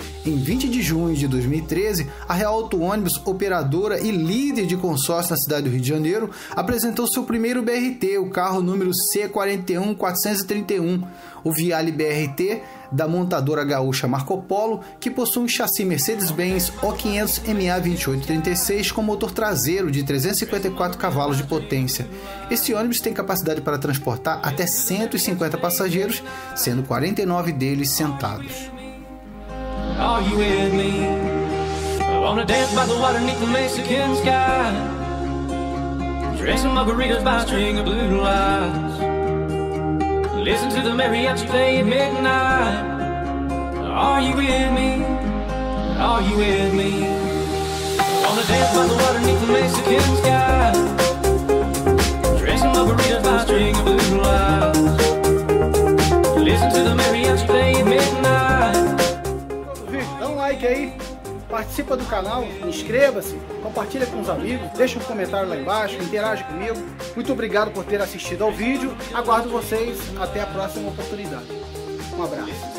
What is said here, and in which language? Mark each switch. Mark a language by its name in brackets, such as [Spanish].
[Portuguese] Em 20 de junho de 2013, a Real Auto Ônibus, operadora e líder de consórcio na cidade do Rio de Janeiro, apresentou seu primeiro BRT, o carro número C41431, o Viale BRT da montadora gaúcha Marco Polo, que possui um chassi Mercedes-Benz O500MA2836 com motor traseiro de 354 cavalos de potência. Esse ônibus tem capacidade para transportar até 150 passageiros, sendo 49 deles sentados. [English] Are you with me? I wanna dance by the water beneath the Mexican sky. Drink some margaritas by a string of blue lights. Listen to the mariachi play at midnight. Are you with me? Are you with me? I wanna dance by the water beneath the Mexican sky. Drink some margaritas by a string of blue lights. Listen to the mariachi play at midnight. [Portuguese] Aí, participa do canal, inscreva-se, compartilha com os amigos, deixa um comentário lá embaixo, interage comigo. Muito obrigado por ter assistido ao vídeo. Aguardo vocês até a próxima oportunidade. Um abraço.